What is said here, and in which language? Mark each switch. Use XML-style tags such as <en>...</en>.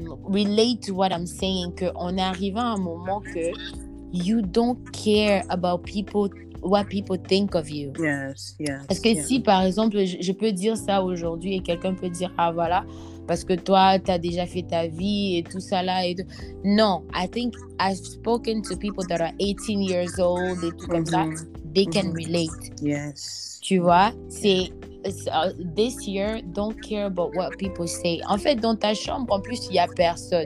<en>relate to what I'm saying,</en> <fr>que on est arrivé à un moment que</fr> <en>you don't care about people, what people think of you. Yes, yes.</en> <fr>Parce que si, par exemple, je peux dire ça aujourd'hui et quelqu'un peut dire, ah voilà, parce que toi, t'as déjà fait ta vie et tout ça là et tout.</fr> <en>Non, I think I've spoken to people that are 18 years old</en> <fr>et tout comme ça,</fr> <en>they can relate. Yes.</en> <fr>Tu vois, c'est</fr> <en>this year, don't care about what people say.</en> <fr>En fait, dans ta chambre, en plus, il n'y a personne.</fr>